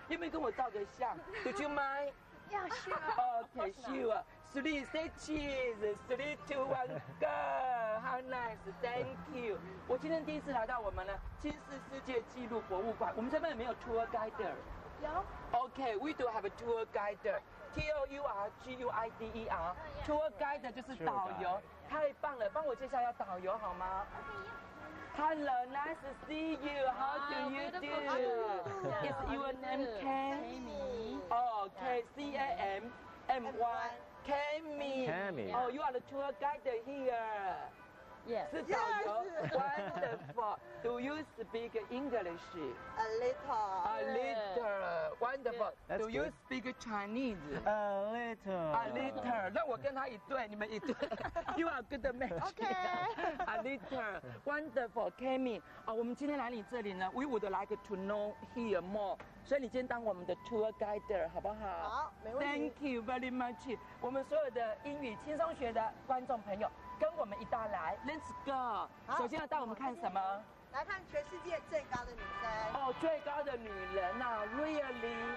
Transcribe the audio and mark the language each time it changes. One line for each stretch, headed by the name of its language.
Chinese: 有没有跟我照个相 ？
English: Do you mind? Yeah, sure. Okay, sure. Three, say cheese. Three, two, one, go. How nice. Thank you.
Chinese: 我今天第一次来到我们的金氏世界纪录博物馆。我们这边有没有 tour guide？有。
English: Okay, we do have a tour guide. T-O-U-R-G-U-I-D-E-R.
Chinese: Tour guide 就是导游。太棒了，帮我介绍一下导游好吗
English: ？Okay. Hello, nice to see you. How do you do? Is your name Cam? Cammy. Oh, K-C-A-M-M-Y. Cammy. Cammy. Oh, you are the tour guide here. Yes. Yes. Wonderful. Do you speak English? A little. A little. Wonderful. That's do you speak Chinese? A little. A little.
Chinese: 那我跟他一对，你们一对。
English: You are good match. Okay. A little. Wonderful. Cammy.
Chinese: 我们今天来你这里呢 ，
English: We would like to know here more.
Chinese: 所以你今天当我们的 tour guide 好不好？好，没问题。
English: Thank you very much.
Chinese: 我们所有的英语轻松学的观众朋友。跟我们一道来 ，
English: Let's go。
Chinese: 首先要带我们看什么？来看全世界最高的女生。哦，最高的女人呐 ，
English: Really？